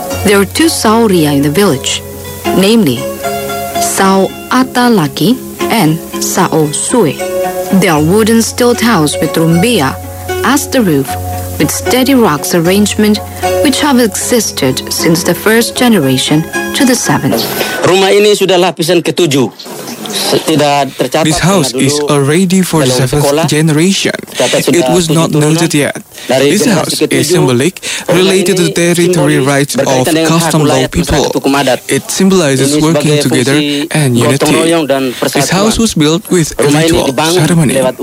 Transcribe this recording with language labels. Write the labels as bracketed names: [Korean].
[English] There are two Saoria in the village, namely Sao Atalaki and Sao Sue. There are wooden stilt house with rumbia as the roof, with steady rocks arrangement which have existed since the first generation to the seventh. [Indonesian] Rumah ini sudah lapisan ketujuh. [English] This house is already for the seventh generation. It was not noted yet. This house is symbolic, related to the territory rights of custom law people. It symbolizes working together and unity. This house was built with a ritual ceremony.